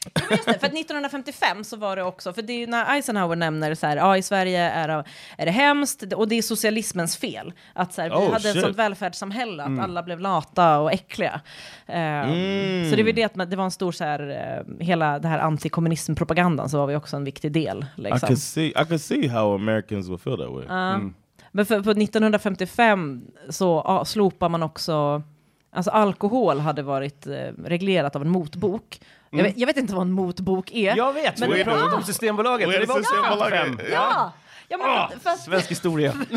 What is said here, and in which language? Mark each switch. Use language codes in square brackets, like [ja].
[sv] Just det, för att 1955 så var det också, för det är ju när Eisenhower nämner så här, i Sverige är det hemskt och det är socialismens fel att så här, vi hade ett sånt välfärdssamhälle att alla blev lata och äckliga. Så det var det, att det var en stor så här, hela det här antikommunismpropagandan så var vi också en viktig del liksom. [en] I can see how Americans would feel that way. [sv] Men för 1955 så slopar man också, alltså alkohol hade varit reglerat av en motbok. Jag vet inte vad en motbok är. Jag vet, men det pratade om Systembolaget. Det var Systembolaget. Ja, men svensk historia.